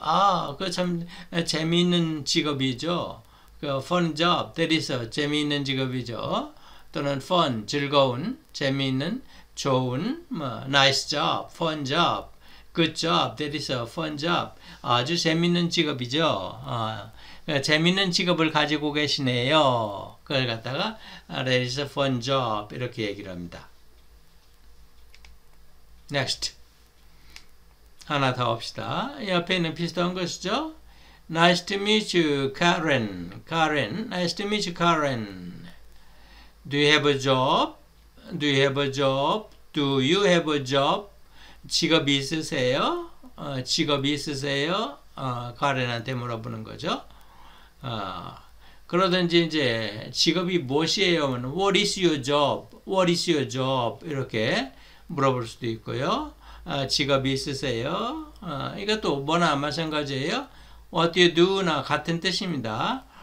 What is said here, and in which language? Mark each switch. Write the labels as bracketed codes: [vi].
[ko] 아, 그 참 재미있는 직업이죠. 그 fun job, that is a 재미있는 직업이죠. 또는 fun, 즐거운, 재미있는, 좋은, 뭐, nice job, fun job, good job, [en] that is a fun job. [ko] 아주 재미있는 직업이죠. 재미있는 직업을 가지고 계시네요. 그걸 갖다가 [en] that is a fun job [ko] 이렇게 얘기를 합니다. Next. 하나 더 합시다. 옆에 있는 비슷한 것이죠. [en] Nice to meet you, Karen. Karen. Nice to meet you, Karen. Do you have a job? Do you have a job? Do you have a job? [ko] 직업이 있으세요? 직업이 있으세요? Karen한테 물어보는 거죠. 그러든지 이제 직업이 무엇이에요? [en] What is your job? What is your job? [ko] 이렇게 물어볼 수도 있고요. 직업이 있으세요? 이것도 뭐나 마찬가지예요. [en] What do you do [ko] 나 같은 뜻입니다.